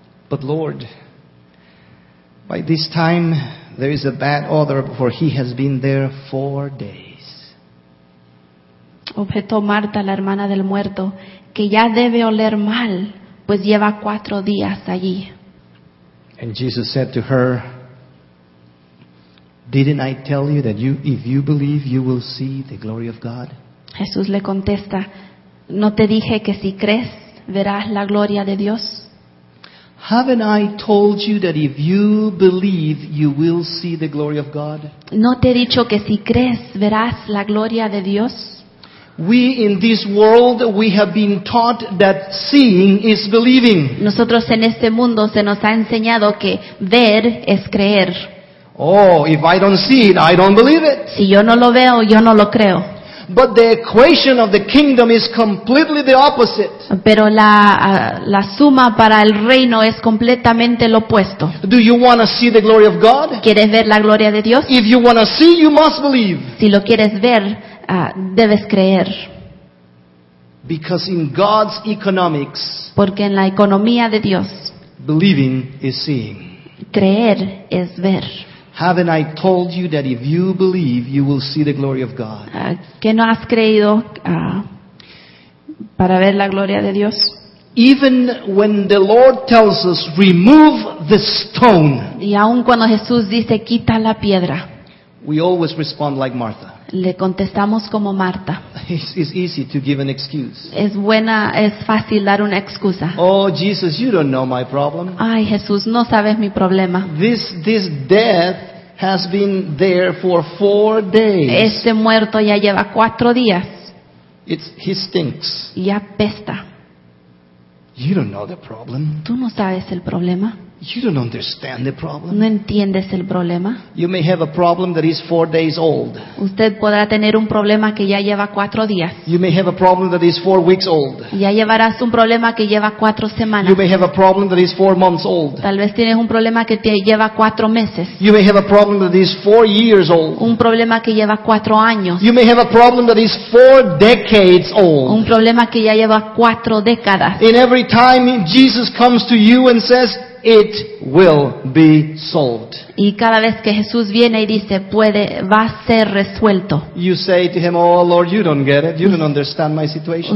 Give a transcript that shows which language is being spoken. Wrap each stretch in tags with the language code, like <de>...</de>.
<en>But Lord, by this time there is a bad odor, for he has been there 4 days.</en> <es>objetó Marta, la hermana del muerto, que ya debe oler mal, pues lleva 4 días allí.</es> <en>And Jesus said to her, "Didn't I tell you that you, if you believe, you will see the glory of God?"</en> <es>Jesús le contesta, "¿No te dije que si crees verás la gloria de Dios?"</es> <en>Haven't I told you that if you believe, you will see the glory of God?</en> <es>¿No te he dicho que si crees verás la gloria de Dios?</es> <en>We in this world, we have been taught that seeing is believing.</en> <es>Nosotros en este mundo se nos ha enseñado que ver es creer.</es> <en>Oh, if I don't see it, I don't believe it.</en> <es>Si yo no lo veo, yo no lo creo.</es> <en>But the equation of the kingdom is completely the opposite.</en> <es>Pero la suma para el reino es completamente lo opuesto.</es> <en>Do you want to see the glory of God?</en> <es>¿Quieres ver la gloria de Dios?</es> <en>If you want to see, you must believe.</en> <es>Si lo quieres ver, debes creer.</es> <en>Because in God's economics,</en> <es>porque en la economía de Dios,</es> <en>believing is seeing.</en> <es>Creer es ver.</es> <en>Haven't I told you that if you believe, you will see the glory of God?</en> <es>¿Qué no has creído para ver la gloria de Dios?</es> <en>Even when the Lord tells us, remove the stone.</en> <es>Y aun cuando Jesús dice, quita la piedra.</es> <en>We always respond like Martha.</en> <es>Le contestamos como Marta.</es> <en>It's easy to give an excuse.</en> <es>Es fácil dar una excusa.</es> <en>Oh, Jesus, you don't know my problem.</en> <es>Ay, Jesús, no sabes mi problema.</es> <en>This death has been there for 4 days.</en> <es>Este muerto ya lleva 4 días.</es> <en>He stinks.</en> <es>Ya pesta.</es> <en>You don't know the problem.</en> <es>Tú no sabes el problema.</es> <en>You don't understand the problem.</en> <es>No entiendes el problema.</es> <en>You may have a problem that is 4 days old.</en> <es>Usted podrá tener un problema que ya lleva 4 días.</es> <en>You may have a problem that is 4 weeks old.</en> <es>Ya llevarás un problema que lleva 4 semanas.</es> <en>You may have a problem that is 4 months old.</en> <es>Tal vez tienes un problema que te lleva 4 meses.</es> <en>You may have a problem that is 4 years old.</en> <es>Un problema que lleva 4 años.</es> <en>You may have a problem that is 4 decades old.</en> <es>Un problema que ya lleva 4 décadas.</es> <en>In every time Jesus comes to you and says, "It will be solved."</en> <es>Y cada vez que Jesús viene y dice, puede, va a ser resuelto.</es> <en>You say to him, "Oh Lord, you don't get it. You don't understand my situation."</en>